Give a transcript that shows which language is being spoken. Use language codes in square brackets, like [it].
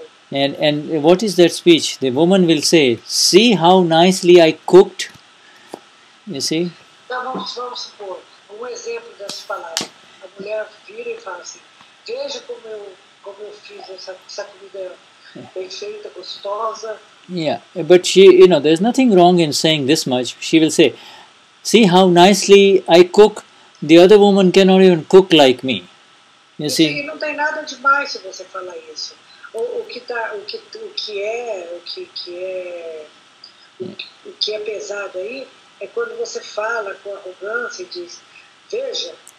[en] And what is that speech? The woman will say, "See how nicely I cooked." You see? [pt] Um exemplo dessas palavras. A mulher vira e fala assim: "Veja como eu fiz essa comida bem feita, gostosa." [en] Yeah, but she, you know, there's nothing wrong in saying this much. She will say, "See how nicely I cook. The other woman cannot even cook like me." You see? [pt] E não tem nada demais se você falar isso. O que é pesado aí é quando você fala com arrogância e diz: "Veja,